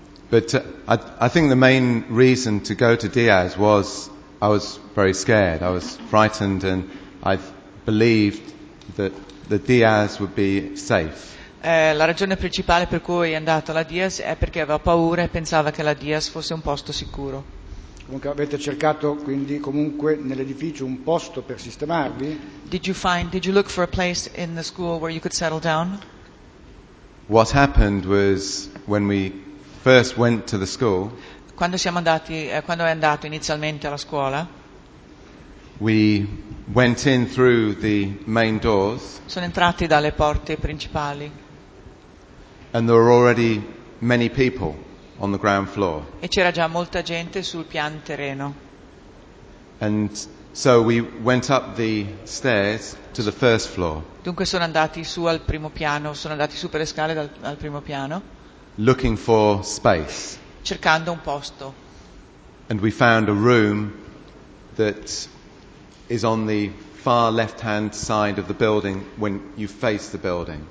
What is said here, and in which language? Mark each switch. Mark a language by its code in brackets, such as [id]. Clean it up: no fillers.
[en] But I think the main reason to go to Diaz was I was very scared, I was frightened, and I believed that the Diaz would be safe. [it] La ragione principale per cui è andato alla Diaz è perché aveva paura e pensava che la Diaz fosse un posto sicuro. Comunque avete cercato quindi comunque nell'edificio un posto per sistemarvi? [en] Did you look for a place in the school where you could settle down? What happened was when we first went to the school. [it] Quando siamo andati, quando è andato inizialmente alla scuola. [en] We went in through the main doors. [it] Sono entrati dalle porte principali. [en] And there were already many people on the ground floor. [it] E c'era già molta gente sul pian terreno. [en] And so we went up the stairs to the first floor. [it] Dunque sono andati su al primo piano, sono andati su per le scale al primo piano. [en] Looking for space. [it] Cercando un posto. [en] And we found a room that is on the far left-hand side of the building when you face the building.